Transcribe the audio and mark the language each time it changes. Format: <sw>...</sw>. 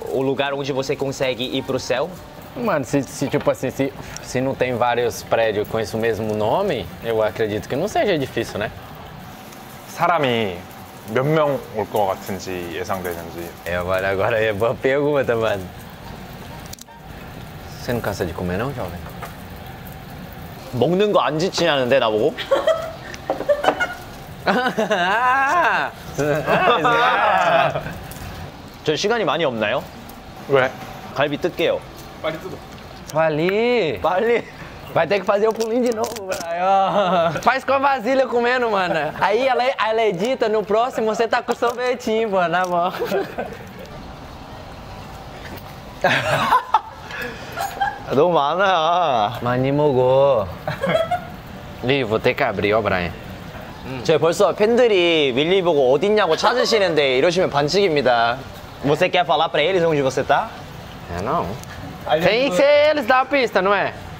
<pt>O lugar onde você consegue ir pro céu? Mano, se não tem vários prédios com esse mesmo nome, eu acredito que não seja difícil, né?</pt> <ko>사람이 몇 명 올 것 같은지 예상되는지.</ko> <pt>É, mano, agora é boa pergunta, mano. Você não cansa de comer, não, jovem?</pt> <ko>먹는 거 안 지치냐는데, 나보고? Ah! 저 시간이 많이 없나요? 왜? 갈비 뜰게요. 빨리 뜯어. 빨리. 빨리.</ko> <pt>Vai ter que fazer o pulinho de novo, velho. Faz com a vasilha comendo, mano. Aí ela edita, no próximo você tá com o sorvetinho, pô, na mão. Do mano, ó.</pt> <ko>Mani mogô.</ko> <pt>Ih, vou ter que abrir, ó, Brian.</pt> <ko>저희 벌써 팬들이 윌리 보고 어딨냐고 찾으시는데 이러시면 반칙입니다.</ko> <pt>Você quer falar pra eles onde você tá? É, não. Tem que ser eles da pista, não é?</pt>